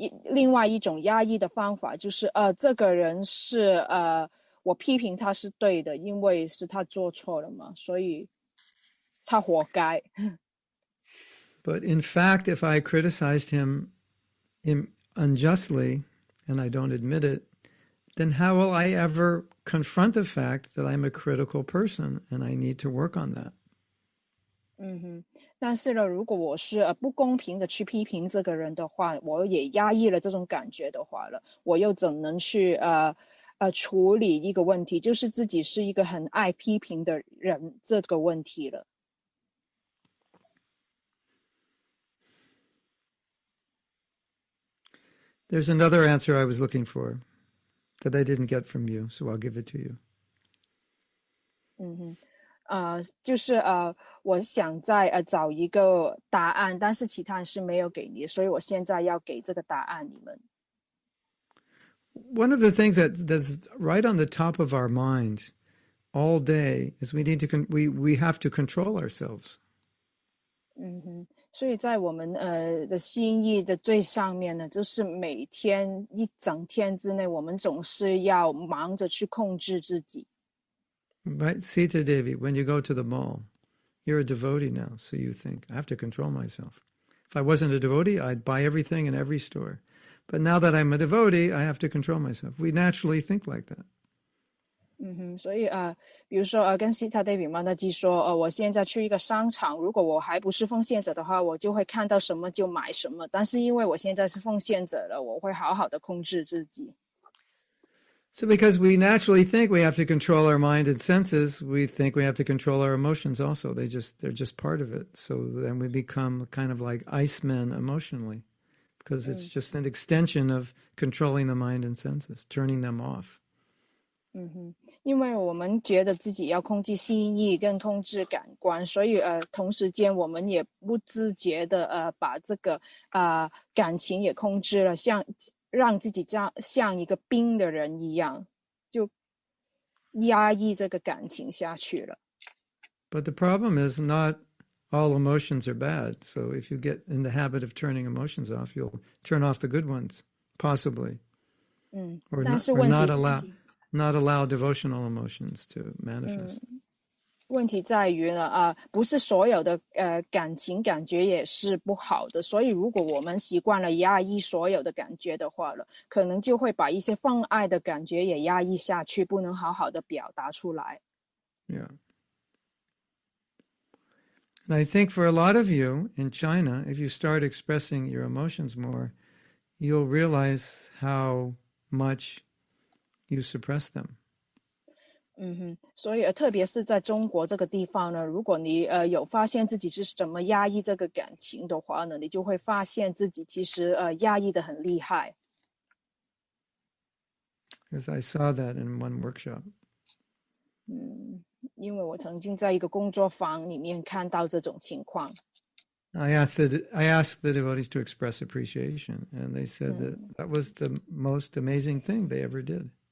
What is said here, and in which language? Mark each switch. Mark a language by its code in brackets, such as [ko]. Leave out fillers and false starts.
[zh] 另外一种压抑的方法就是，这个人是我批评他是对的，因为是他做错了嘛，所以他活该。 [en] But in fact, if I criticized him unjustly and I don't admit it, then how will I ever confront the fact that I'm a critical person and I need to work on that? [zh] 嗯哼，但是呢，如果我是不公平的去批评这个人的话，我也压抑了这种感觉的话了，我又怎能去处理一个问题，就是自己是一个很爱批评的人这个问题了。 [en] There's another answer I was looking for that I didn't get from you, so I'll give it to you. [zh] 嗯哼，就是我想再找一个答案，但是其他人是没有给你，所以我现在要给这个答案你们。 [en] One of the things that's right on the top of our mind all day is we have to control ourselves. 嗯哼。 [zh] 所以在我们的心意的最上面呢，就是每天一整天之内，我们总是要忙着去控制自己。 [en] Right, Sita Devi, when you go to the mall, you're a devotee now, so you think, I have to control myself. If I wasn't a devotee, I'd buy everything in every store. But now that I'm a devotee, I have to control myself. We naturally think like that. [zh] 嗯哼，所以比如说跟Sita Devi Mataji说我现在去一个商场，如果我还不是奉献者的话，我就会看到什么就买什么，但是因为我现在是奉献者了，我会好好的控制自己。 [en] So because we naturally think we have to control our mind and senses, we think we have to control our emotions also. They're just part of it. So then we become kind of like icemen emotionally, because it's just an extension of controlling the mind and senses, turning them off. [zh] 嗯哼，因为我们觉得自己要控制心意跟控制感官，所以同时间我们也不自觉的把这个感情也控制了，像让自己像一个冰的人一样，就压抑这个感情下去了。 [en] But the problem is not all emotions are bad. So if you get in the habit of turning emotions off, you'll turn off the good ones, possibly. 嗯， Or not allow devotional emotions to manifest. [zh] 问题在于呢，不是所有的感情感觉也是不好的，所以如果我们习惯了压抑所有的感觉的话了，可能就会把一些放爱的感觉也压抑下去，不能好好的表达出来。 Yeah. [en] And I think for a lot of you in China, if you start expressing your emotions more, you'll realize how much you suppress them. [zh] 嗯哼，所以特别是在中国这个地方呢，如果你有发现自己是怎么压抑这个感情的话呢，你就会发现自己其实压抑得很厉害。 [en] Because I saw that in one workshop. [zh] 嗯，因为我曾经在一个工作坊里面看到这种情况。 [en] I asked the devotees to express appreciation, and they said that was the most amazing thing they ever did.